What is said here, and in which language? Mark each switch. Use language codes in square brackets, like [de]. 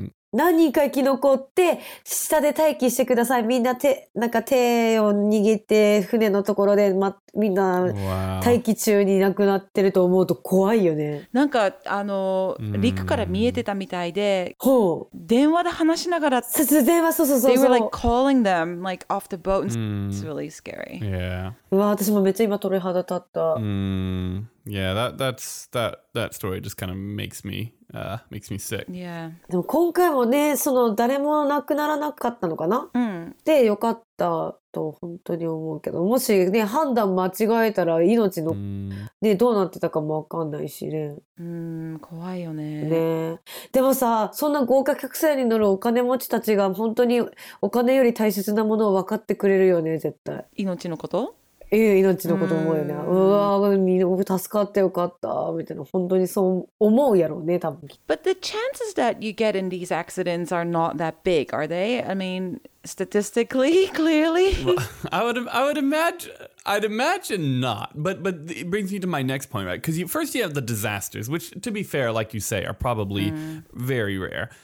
[ja] 何人か生き残って下で待機してください。みんな手なんか手を握って船のところで、ま、みんな待機中に亡くなってると思うと怖いよね。なんかあの陸から見えてたみたいで、電話で話しながら電話そう。 [en] They were like calling them like off the boat. It's really scary. Yeah. [ja] うわ、私もめっちゃ今鳥肌立った。 [en] Yeah, that story just kind of makes me sick. Yeah. [ja] でも今回もね、その誰も亡くならなかったのかな。で、よかったと本当に思うけど、もしね、判断間違えたら命の、ね、どうなってたかもわかんないしね。怖いよね。ね。でもさ、そんな豪華客船に乗るお金持ちたちが本当にお金より大切なものを分かってくれるよね、絶対。命のこと？命のこと思うよね。うわ、助かってよかったみたいな、本当にそう思うやろうね、多分。 [en] But the chances that you get in these accidents are not that big, are they? I mean, statistically, clearly. Well, I'd imagine not. But it brings me to my next point, right? Because first you have the disasters, which, to be fair, like you say, are probably very rare.